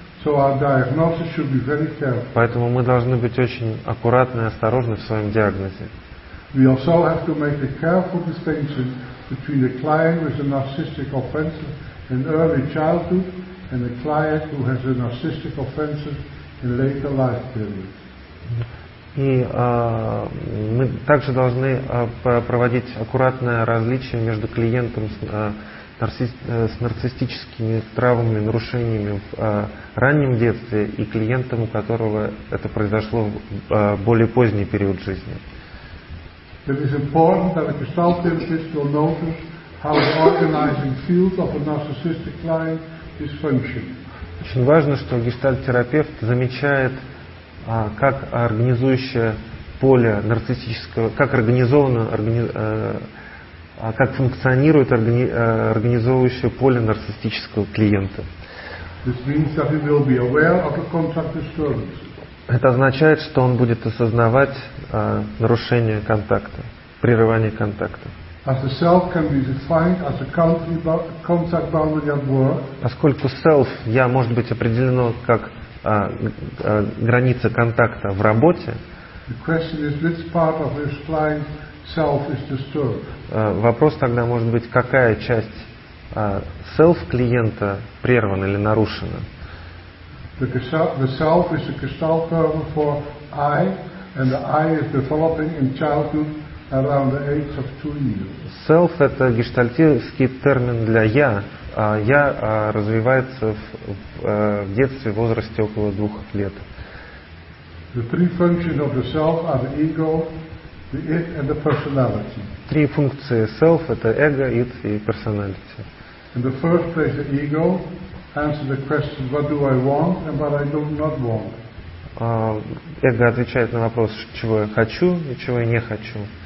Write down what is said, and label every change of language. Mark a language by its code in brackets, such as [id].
[en] So our diagnosis should be very careful. [ru] Поэтому мы должны быть очень аккуратны и осторожны в своем диагнозе. [en] We also have to make a careful distinction between a client with a narcissistic offense in early childhood and a client who has a narcissistic offenses in later life periods. [ru] И мы также должны проводить аккуратное различие между клиентом с нарциссическими травмами, нарушениями в раннем детстве и клиентом, у которого это произошло в более поздний период жизни. [en] It is important that a gestalt therapist will notice how the organizing field of a narcissistic client is functioning. [ru] Очень важно, что гештальт-терапевт замечает, как организующее поле нарциссического, как организовано, как функционирует организовывающее поле нарциссического клиента. [en] This means that he will be aware of the contract disturbance. [ru] Это означает, что он будет осознавать нарушение контакта, прерывание контакта. [en] As the self can be defined as a contact boundary at work. [ru] Поскольку self, я, может быть, определено как граница контакта в работе. [en] The question is which part of this client self is disturbed. [ru] Вопрос тогда может быть, какая часть self клиента прервана или нарушена. [en] The self is a gestalt term for I, and the I is developing in childhood around the age of 2 years. [ru] Self – это гештальтический термин для я. Я развивается в детстве, в возрасте около 2 лет. [en] The three functions of the self are the ego, the it, and the personality. [ru] Три функции self – это эго, it и personality. [en] In the first place, the ego. Answer the question: What do I want and what I do not want? [ru] Эго отвечает на вопрос, чего я хочу и чего я не хочу.